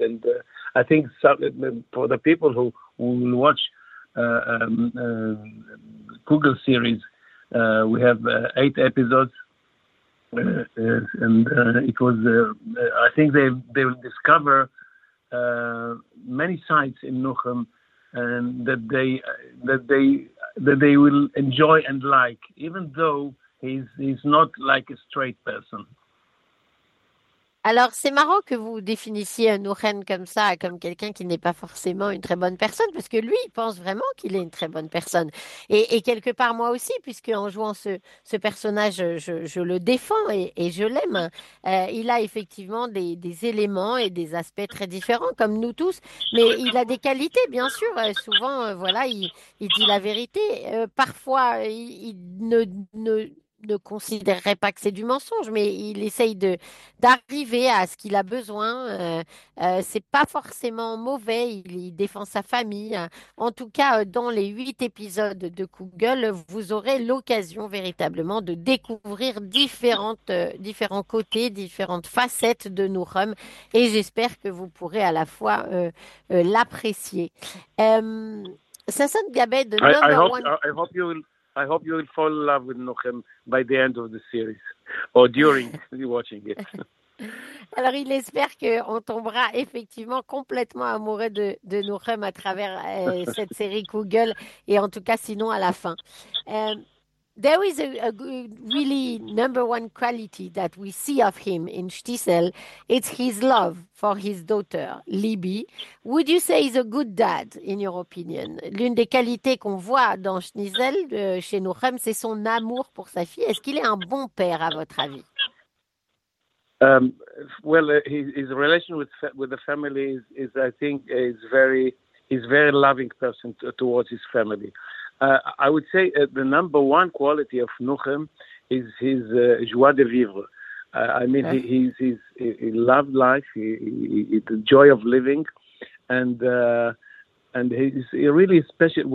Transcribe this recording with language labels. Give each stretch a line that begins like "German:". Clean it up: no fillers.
English: And I think for the people who will watch Kugel series, we have 8 episodes, and it was. I think they will discover many sides in Nochem, and that they will enjoy and like, even though. He's not like a straight person.
French: Alors, c'est marrant que vous définissiez Nouren comme ça, comme quelqu'un qui n'est pas forcément une très bonne personne, parce que lui, il pense vraiment qu'il est une très bonne personne. Et quelque part, moi aussi, puisque en jouant ce personnage, je le défends et je l'aime. Il a effectivement des éléments et des aspects très différents, comme nous tous. Mais il a des qualités, bien sûr. Souvent, voilà, il dit la vérité. Parfois, il ne considérerait pas que c'est du mensonge, mais il essaye d'arriver à ce qu'il a besoin. C'est pas forcément mauvais, il défend sa famille. En tout cas, dans les 8 épisodes de Kugel, vous aurez l'occasion véritablement de découvrir différents côtés, différentes facettes de Nouren, et j'espère que vous pourrez à la fois l'apprécier.
English: Sasson Gabed, number one. I hope you will fall in love with Nochem by the end of the series or during watching it.
French: Alors, il espère qu'on tombera effectivement complètement amoureux de Nochem à travers cette série Kugel, et en tout cas, sinon à la fin.
English: There is a really number one quality that we see of him in Shtisel. It's his love for his daughter, Libby. Would you say he's a good dad, in your opinion?
French: L'une des qualités qu'on voit dans Shtisel, chez Nochem, c'est son amour pour sa fille. Est-ce qu'il est un bon père, à votre avis?
English: Well, his relation with the family is, I think, he's very loving person towards his family. I would say the number one quality of Nochem is his joie de vivre. He loved life, the joy of living, and he's really special.